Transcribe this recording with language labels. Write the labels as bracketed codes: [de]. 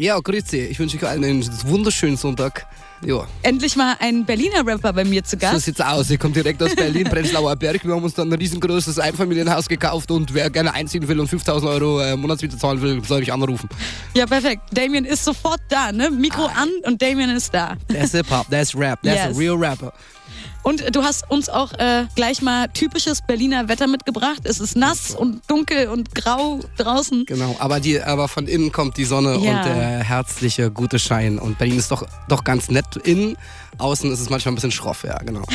[de] Ja, grüezi. Ich wünsche euch allen einen wunderschönen Sonntag. Ja. Endlich mal ein Berliner Rapper bei mir zu Gast. So sieht's aus. Ich komme direkt aus Berlin, Prenzlauer Berg. Wir haben uns dann ein riesengroßes Einfamilienhaus gekauft und wer gerne einziehen will und 5.000 Euro Monatsmiete zahlen will, soll mich anrufen. Ja, perfekt. Damion ist sofort da, ne? Mikro an und Damion ist da. [en] That's Hip-Hop, that's Rap, that's a real Rapper. [de] Und du hast uns auch gleich mal typisches Berliner Wetter mitgebracht. Es ist nass und dunkel und grau draußen. Genau, aber von innen kommt die Sonne und der herzliche, gute Schein. Und Berlin ist doch ganz nett innen. Außen ist es manchmal ein bisschen schroff, ja, genau.